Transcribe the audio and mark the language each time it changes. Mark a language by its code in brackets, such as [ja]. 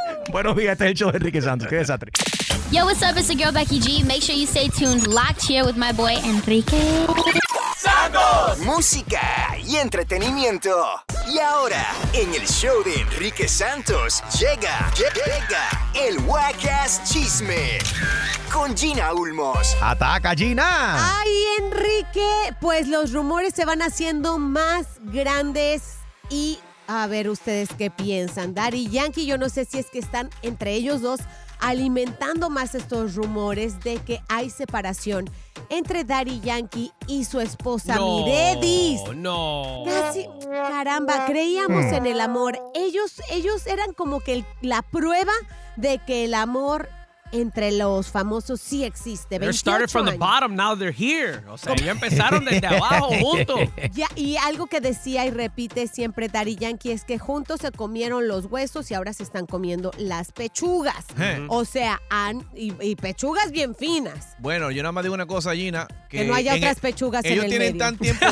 [es] Buenos días, este es el show de Enrique Santos. Qué desastre. [en] Yo, what's up? It's your girl, Becky G. Make sure you stay tuned, locked here with my boy, Enrique [es] Santos. Música y entretenimiento. Y ahora, en el show de Enrique Santos, llega el Wackass Chisme con Gina Ulmos. ¡Ataca, Gina! ¡Ay, Enrique! Pues los rumores se van haciendo más grandes y A ver ustedes qué piensan. Daddy Yankee, yo no sé si es que están entre ellos dos alimentando más estos rumores de que hay separación entre Daddy Yankee y su esposa, no, Miredis. No, casi, caramba, creíamos en el amor. Ellos eran como que la prueba de que el amor entre los famosos sí existe. [en] They started from the bottom, now they're here. [es] O sea, ya empezaron desde abajo, juntos. Ya, y algo que decía y repite siempre Daddy Yankee es que juntos se comieron los huesos y ahora se están comiendo las pechugas. Mm-hmm. O sea, y pechugas bien finas. Bueno, yo nada más digo una cosa, Gina. Que no haya otras pechugas ellos en el medio.